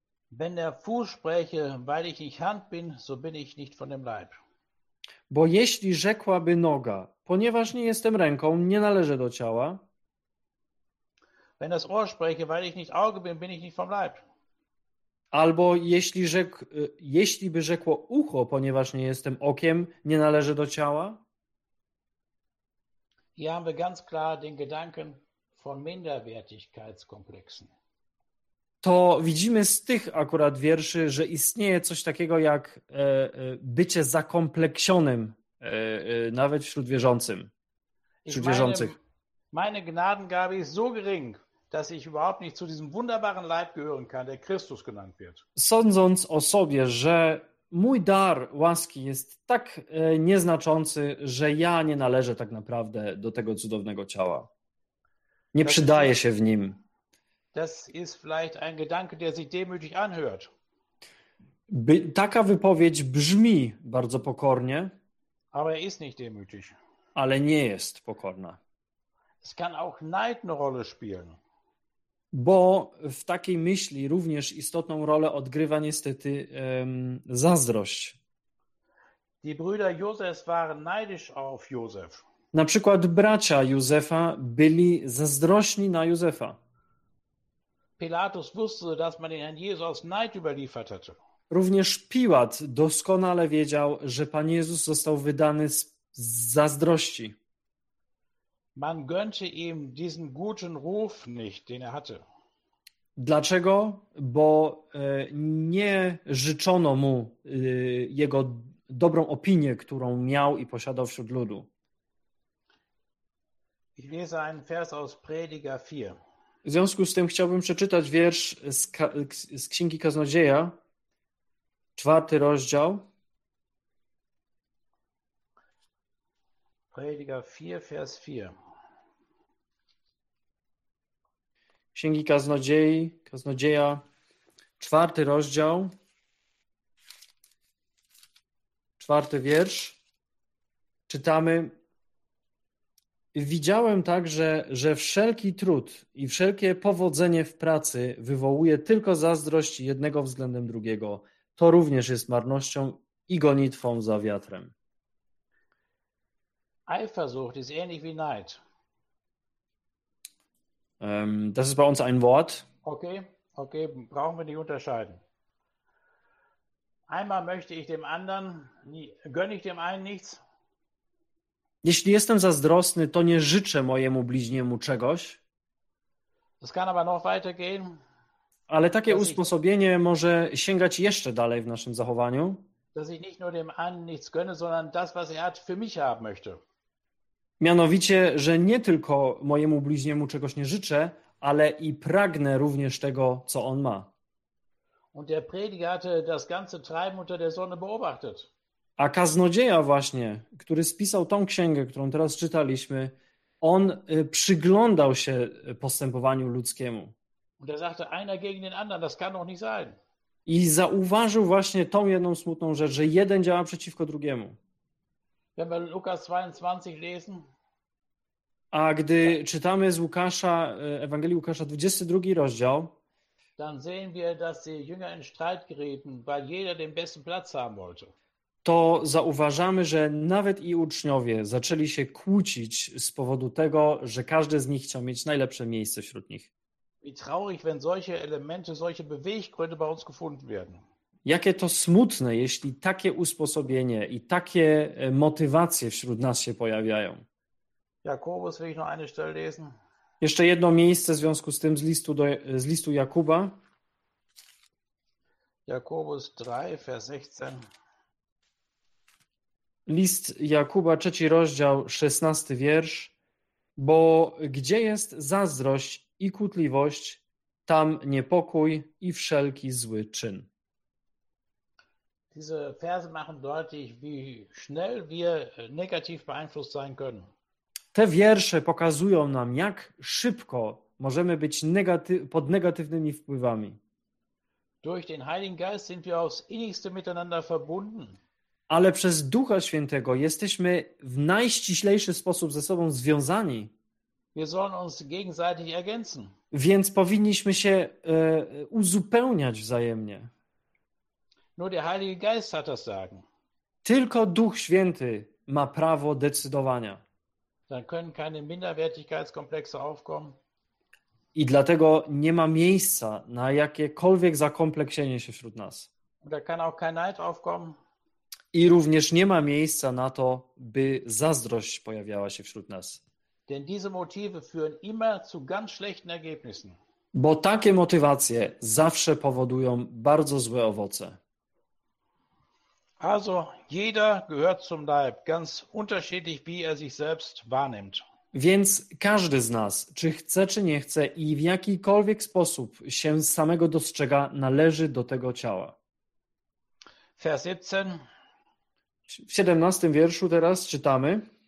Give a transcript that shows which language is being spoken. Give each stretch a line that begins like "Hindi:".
German: Wenn der Fuß spreche, weil ich nicht Hand bin, so bin ich nicht von dem Leib.
Polish: Bo jeśli rzekłaby noga, ponieważ nie jestem ręką, nie należę do ciała.
German: Wenn das Ohr spreche, weil ich nicht Auge bin, bin ich nicht vom Leib.
Polish: Albo jeśli by rzekło ucho, ponieważ nie jestem okiem, nie należę do ciała.
German: Hier haben wir ganz klar den Gedanken von Minderwertigkeitskomplexen.
Polish: To widzimy z tych akurat wierszy, że istnieje coś takiego jak bycie zakompleksionym nawet wśród wierzącym, wśród wierzących.
German: Meine Gnadengabe ist so gering, dass ich überhaupt nicht zu diesem wunderbaren Leib gehören kann, der Christus genannt wird.
Polish: Sądząc o sobie, że mój dar łaski jest tak nieznaczący, że ja nie należę tak naprawdę do tego cudownego ciała. Nie przydaje się w nim.
German: Das ist vielleicht ein Gedanke, der sich demütig anhört.
Polish: Taka wypowiedź brzmi bardzo pokornie.
German: Aber er ist nicht demütig.
Polish: Ale nie jest pokorna.
German: Es kann auch Neid eine Rolle spielen.
Polish: Bo w takiej myśli również istotną rolę odgrywa niestety zazdrość.
German: Die Brüder Josef waren neidisch auf Josef.
Polish: Na przykład bracia Józefa byli zazdrośni na Józefa.
German: Pilatus wusste, dass man den Herrn Jesus Neid überliefert hatte.
Polish: Również Piłat doskonale wiedział, że Pan Jezus został wydany z zazdrości.
German: Man gönnte ihm diesen guten Ruf nicht, den er hatte.
Polish: Dlaczego? Bo nie życzono mu jego dobrą opinię, którą miał i posiadał wśród ludu.
German: Ich lese einen Vers aus Prediger 4.
Polish: W związku z tym chciałbym przeczytać wiersz z Księgi Kaznodzieja, 4 rozdział.
German: Prediger 4, Vers 4.
Polish: Księgi Kaznodzieja, 4 rozdział, 4 wiersz. Czytamy. Widziałem także, że wszelki trud i wszelkie powodzenie w pracy wywołuje tylko zazdrość jednego względem drugiego. To również jest marnością i gonitwą za wiatrem.
German: Eifersucht ist ähnlich wie Neid. Das ist bei uns ein Wort. Okay, brauchen wir nicht unterscheiden. Einmal möchte ich dem anderen, gönne ich dem einen nichts.
Polish: Jeśli jestem zazdrosny, to nie życzę mojemu bliźniemu czegoś.
German: Das kann aber noch weiter gehen.
Polish: Ale takie
German: dass
Polish: usposobienie
German: ich,
Polish: może sięgać jeszcze dalej w naszym zachowaniu.
German: Dass ich nicht nur dem anderen nichts gönne, sondern das, was er hat, für mich haben möchte.
Polish: Mianowicie, że nie tylko mojemu bliźniemu czegoś nie życzę, ale i pragnę również tego, co on ma.
German: Und der Prediger hatte das ganze Treiben unter der Sonne beobachtet.
Polish: A kaznodzieja właśnie, który spisał tą księgę, którą teraz czytaliśmy, on przyglądał się postępowaniu ludzkiemu.
German: Und er sagte, einer gegen den anderen, das kann doch nicht sein.
Polish: I zauważył właśnie tą jedną smutną rzecz, że jeden działa przeciwko drugiemu.
German: Wenn wir Lukas 22 lesen,
Polish: a gdy czytamy z Łukasza, Ewangelii Łukasza 22 rozdział,
German: dann sehen wir, dass die Jünger in Streit gerieten, weil jeder den besten Platz haben wollte.
Polish: To zauważamy, że nawet i uczniowie zaczęli się kłócić z powodu tego, że każdy z nich chciał mieć najlepsze miejsce wśród nich.
German: Wie traurig, wenn solche Elemente, solche Beweggründe bei uns gefunden werden.
Polish: Jakie to smutne, jeśli takie usposobienie i takie motywacje wśród nas się pojawiają.
German: Jakobus, will ich noch eine Stelle lesen?
Polish: Jeszcze jedno miejsce w związku z tym z listu Jakuba.
German: Jakobus 3, Vers 16.
Polish: List Jakuba, trzeci rozdział, 16 wiersz. Bo gdzie jest zazdrość i kłótliwość, tam niepokój i wszelki zły czyn.
German: Diese Verse machen deutlich, wie schnell wir negativ beeinflusst sein können.
Polish: Te wiersze pokazują nam, jak szybko możemy być pod negatywnymi wpływami.
German: Durch den Heiligen Geist sind wir aufs innigste miteinander verbunden.
Polish: Ale przez Ducha Świętego jesteśmy w najściślejszy sposób ze sobą związani.
German: Wir sollen uns gegenseitig ergänzen.
Polish: Więc powinniśmy się uzupełniać wzajemnie.
German: Nur der Heilige Geist hat das sagen.
Polish: Tylko Duch Święty ma prawo decydowania.
German: Dann können keine Minderwertigkeitskomplexe aufkommen.
Polish: I dlatego nie ma miejsca na jakiekolwiek zakompleksienie się wśród nas.
German: Und da kann auch kein Neid aufkommen.
Polish: I również nie ma miejsca na to, by zazdrość pojawiała się wśród nas.
German: Denn diese motive führen immer zu ganz schlechten Ergebnissen.
Polish: Bo takie motywacje zawsze powodują bardzo złe owoce.
German: Also jeder gehört zum Leib, ganz unterschiedlich, wie er sich selbst wahrnimmt.
Polish: Więc każdy z nas, czy chce, czy nie chce i w jakikolwiek sposób się samego dostrzega, należy do tego ciała.
German: Vers 17.
Polish: W 17 wierszu teraz czytamy.